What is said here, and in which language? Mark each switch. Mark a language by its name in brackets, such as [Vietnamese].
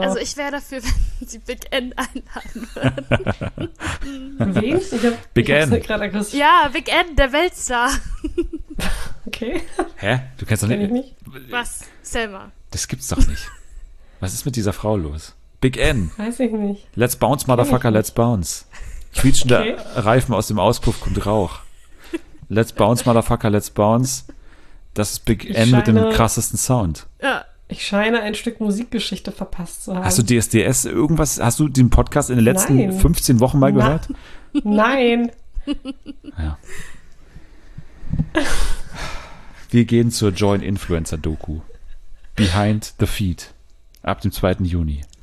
[German] Also ich wäre dafür, wenn sie Big N einladen würden. Wen? Big N. Ja, Big N, der Weltstar. Okay. Hä? Du kennst doch nicht. Was? Selma. Das gibt's doch nicht. Was ist mit dieser Frau los? Big N. Weiß ich nicht. [English] Let's bounce, motherfucker, let's bounce. [German] Quietschende Reifen aus dem Auspuff kommt Rauch. [English] Let's bounce, motherfucker, let's bounce. [German] Das ist Big N mit dem krassesten Sound. Ja, ich scheine ein Stück Musikgeschichte verpasst zu haben. Hast du DSDS irgendwas? Hast du den Podcast in den letzten 15 Wochen mal gehört? Nein. Ja. Wir gehen zur Join Influencer Doku. Behind the Feed. Ab dem 2. Juni.